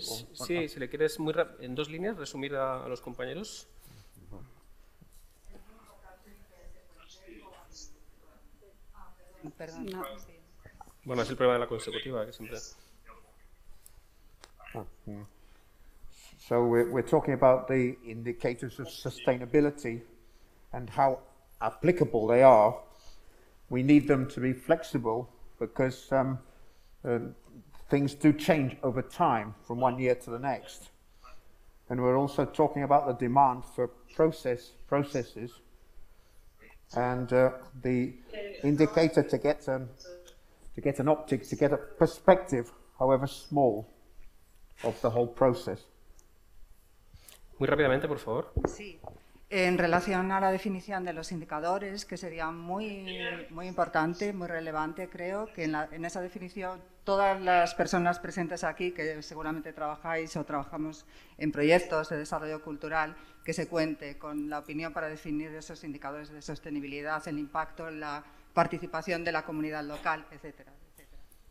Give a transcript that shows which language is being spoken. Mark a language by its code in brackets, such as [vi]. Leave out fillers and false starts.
[es] Si le quieres, muy en dos líneas, resumir a los compañeros. Perdón. No. Bueno, es el problema de la consecutiva, que siempre... [en] So we're talking about the indicators of sustainability and how applicable they are. We need them to be flexible because things do change over time from one year to the next. And we're also talking about the demand for processes and the indicator to get an optic, to get a perspective, however small, of the whole process. [es] Muy rápidamente, por favor. Sí. En relación a la definición de los indicadores, que sería muy, muy importante, muy relevante, creo que en esa definición todas las personas presentes aquí, que seguramente trabajáis o trabajamos en proyectos de desarrollo cultural, que se cuente con la opinión para definir esos indicadores de sostenibilidad, el impacto, la participación de la comunidad local, etcétera, etcétera.